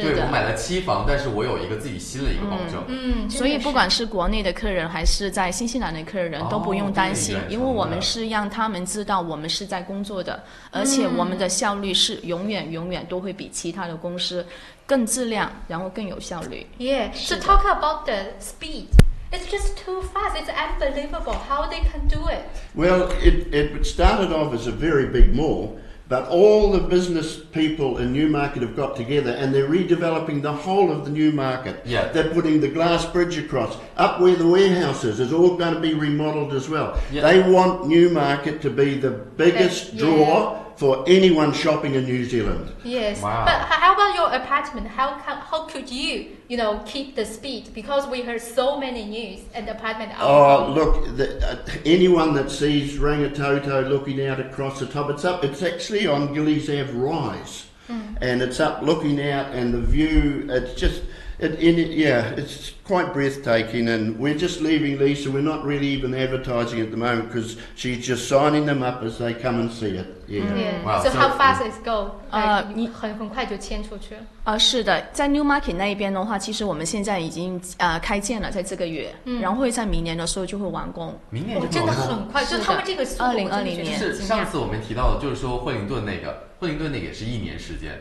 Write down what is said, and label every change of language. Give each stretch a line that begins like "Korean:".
Chinese: 对，我买了7房，但是我有一个自己新的一个保证。所以不管是国内的客人还是在新西兰的客人都不用担心，因为我们是让他们知道我们是在工作的，而且我们的效率是永远永远都会比其他的公司更质量然后更有效率。
English: Yeah, so talk about the speedIt's just too fast. It's unbelievable how they can do it. Well, it started off as a very big mall, but all the business people in Newmarket have got together and they're redeveloping the whole of the Newmarket. Yeah. They're putting the glass bridge across. Up where the warehouse is all going to be remodeled as well. Yeah. They want Newmarket to be the biggest draw for anyone shopping in New Zealand. Yes. Wow. But how about your apartment? How could you, you know, keep the speed? Because we heard so many news and the apartment. Oh, look, anyone that sees Rangitoto looking out across the top, it's actually on Gillies Ave Rise. And it's up looking out and the view, it's quite breathtaking. And we're just leaving Lisa. We're not really even advertising at the moment because she's just signing them up as they come and see it. Yeah. Wow. So how fast it go?
Chinese: 很快就签出去了。是的，在 New Market 那一边的话，其实我们现在已经开建了，在这个月，然后会在明年的时候就会完工。明年就完工、真的很快，就他们这个速度。 2020年。就是上次我们提到的，就是说惠灵顿那也是一年时间，